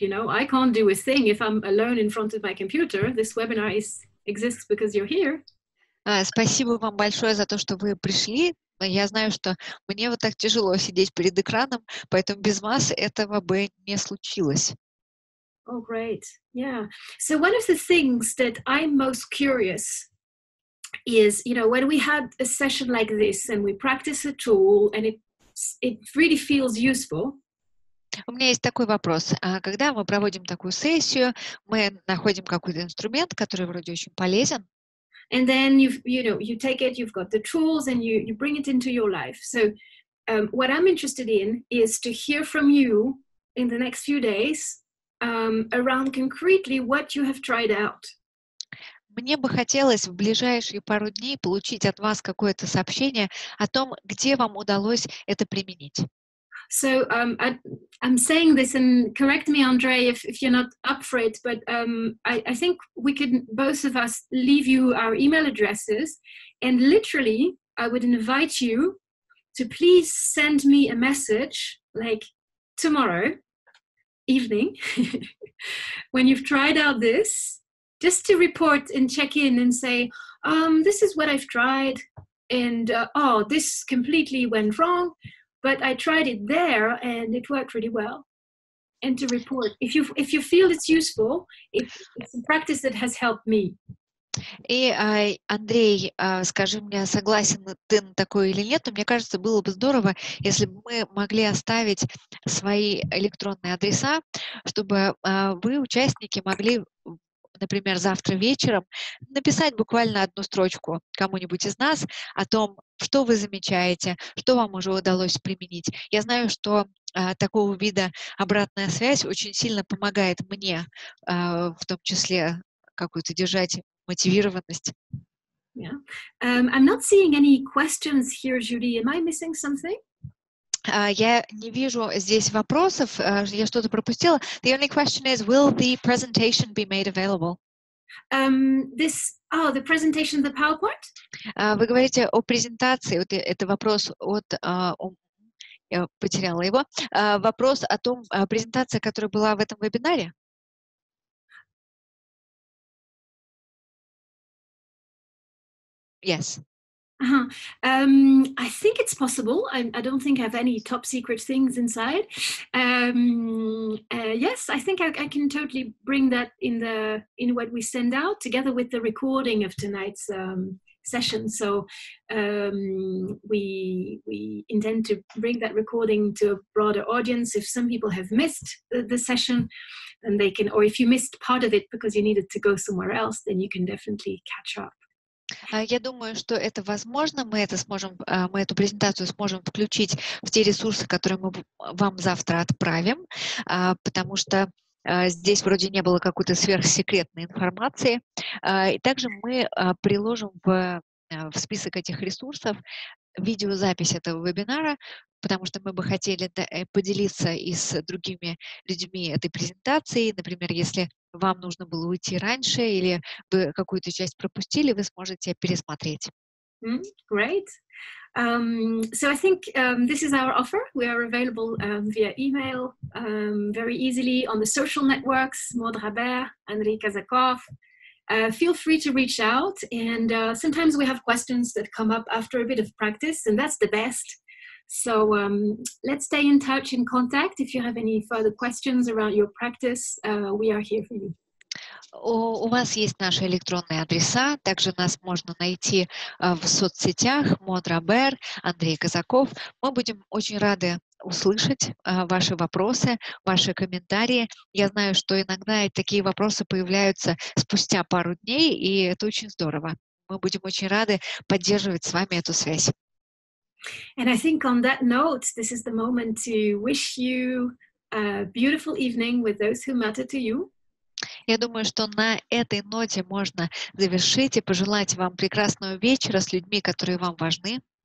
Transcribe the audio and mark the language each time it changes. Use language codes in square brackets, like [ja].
[en] You know, I can't do a thing if I'm alone in front of my computer. This webinar exists because you're here. [ru] Спасибо вам большое за то, что вы пришли. Я знаю, что мне вот так тяжело сидеть перед экраном, поэтому без вас этого бы не случилось. [en] Oh, great. Yeah. So one of the things that I'm most curious is, you know, when we had a session like this and we practice a tool and it really feels useful. [ru] У меня есть такой вопрос. Когда мы проводим такую сессию, мы находим какой-то инструмент, который вроде очень полезен. [en] And then you take it, you've got the tools, and you bring it into your life. So what I'm interested in is to hear from you in the next few days around concretely what you have tried out. [ru] Мне бы хотелось в ближайшие пару дней получить от вас какое-то сообщение о том, где вам удалось это применить. [en] So I'm saying this, and correct me, Andre, if you're not up for it, but I think we could both of us leave you our email addresses, and literally I would invite you to please send me a message like tomorrow evening when you've tried out this, just to report and check in and say, this is what I've tried, and this completely went wrong. But I tried it there, and it worked really well. And to report, if you feel it's useful, it's a practice that has helped me. [ru] И, Андрей, скажи мне, согласен ты на такое или нет, но мне кажется, было бы здорово, если бы мы могли оставить свои электронные адреса, чтобы вы, участники, могли например, завтра вечером, написать буквально одну строчку кому-нибудь из нас о том, что вы замечаете, что вам уже удалось применить. Я знаю, что такого вида обратная связь очень сильно помогает мне, в том числе, какую-то держать мотивированность. [en] I'm not seeing any questions here, Judy. Am I missing something? [ru] Я не вижу здесь вопросов. Я что-то пропустила. [en] The only question is, will the presentation be made available? The presentation, the PowerPoint? [ru] Вы говорите о презентации. Вот это вопрос от... я потеряла его. Вопрос о том, презентация, которая была в этом вебинаре. [en] Yes. I think it's possible. I don't think I have any top secret things inside. Yes, I think I can totally bring that in what we send out together with the recording of tonight's session. So we intend to bring that recording to a broader audience. If some people have missed the session, then they can, or if you missed part of it because you needed to go somewhere else, then you can definitely catch up. [ru] Я думаю, что это возможно. Мы это сможем, мы эту презентацию сможем включить в те ресурсы, которые мы вам завтра отправим, потому что здесь вроде не было какой-то сверхсекретной информации. И также мы приложим в список этих ресурсов видеозапись этого вебинара, потому что мы бы хотели поделиться и с другими людьми этой презентацией. Например, если вам нужно было уйти раньше или вы какую-то часть пропустили, вы сможете пересмотреть. [en] Great. So I think this is our offer. We are available via email very easily on the social networks, Maud Raber, Enrique Zakov. Feel free to reach out, and sometimes we have questions that come up after a bit of practice, and that's the best. So let's stay in touch, in contact. If you have any further questions around your practice, we are here for you. [ru] У вас есть наши электронные адреса, также нас можно найти в соцсетях, Maud Raber, Андрей Казаков. Мы будем очень рады услышать ваши вопросы, ваши комментарии. Я знаю, что иногда такие вопросы появляются спустя пару дней, и это очень здорово. Мы будем очень рады поддерживать с вами эту связь. [en] And I think on that note, this is the moment to wish you a beautiful evening with those who matter to you. [ru] Я думаю, что на этой ноте можно завершить и пожелать вам прекрасного вечера с людьми, которые вам важны.